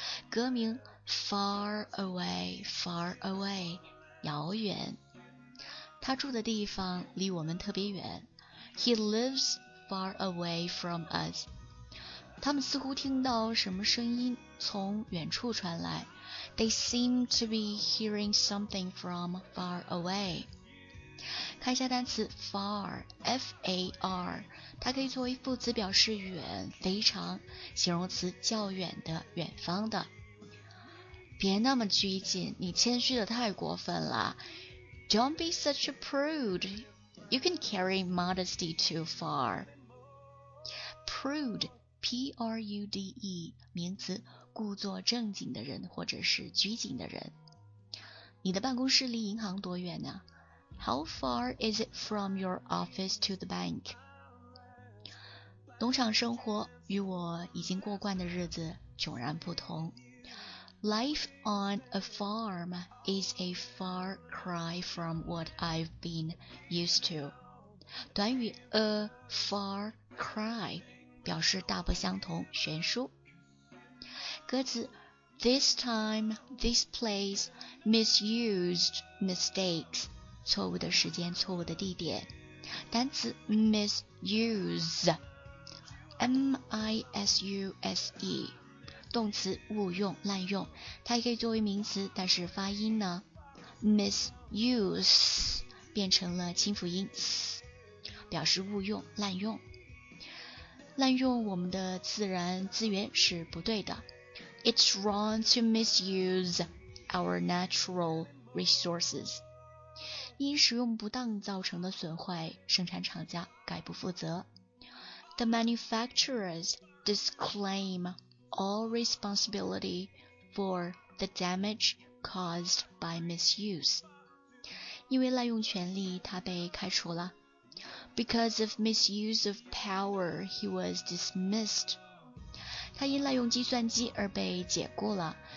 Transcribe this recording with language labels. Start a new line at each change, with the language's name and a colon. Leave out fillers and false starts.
Chinese: 歌名 Far Away， Far Away， 遥远。他住的地方离我们特别远。
English: He lives far away from us。
Chinese: 他们似乎听到什么声音从远处传来。
English: They seem to be hearing something from far away。
Chinese: 看一下单词 far， F-A-R， 它可以作为副词表示远、非常，形容词较远的、远方的。别那么拘谨，你谦虚的太过分了。
English: Don't be such a prude， You can carry modesty too far。
Chinese: Prude， P-R-U-D-E， 名词，故作正经的人或者是拘谨的人。你的办公室离银行多远呢？
English: How far is it from your office to the bank?
Chinese: 农场生活与我已经过惯的日子迥然不同。
English: Life on a farm is a far cry from what I've been used to.
Chinese: 短语 a far cry 表示大不相同，悬殊。
English: 歌词 This time, this place, misused mistakes.
Chinese: 错误的时间，错误的地点。单词 misuse， M-I-S-U-S-E， 动词误用、滥用，它也可以作为名词，但是发音呢 misuse 变成了清辅音 s， 表示误用、滥用。滥用我们的自然资源是不对的。
English: It's wrong to misuse our natural resources.
Chinese: 因使用不当造成的损坏，生产厂家概不负责。
English: The manufacturers disclaim all responsibility for the damage caused by misuse.
Chinese: 因为滥用权力，他被开除了。
English: Because of misuse of power, he was dismissed.
Chinese: 他因滥用计算机而被解雇了。